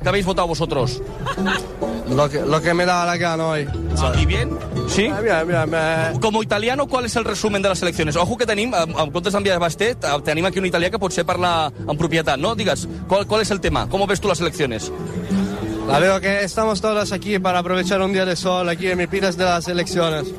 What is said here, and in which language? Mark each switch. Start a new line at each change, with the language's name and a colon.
Spanish: ¿Qué habéis votado vosotros? Lo que me da la gana hoy. Ah, ¿y bien? ¿Sí? Bien. Como italiano, ¿cuál es el resumen de las elecciones?
Catalan: Ojo que tenim, en comptes d'enviar de Basté, tenim aquí un italià que potser parla en propietat, no?
Spanish: Digues, ¿cuál es el tema? ¿Cómo ves tú las elecciones? La veo que estamos todas aquí para aprovechar un día de sol aquí en Mipiras de las elecciones.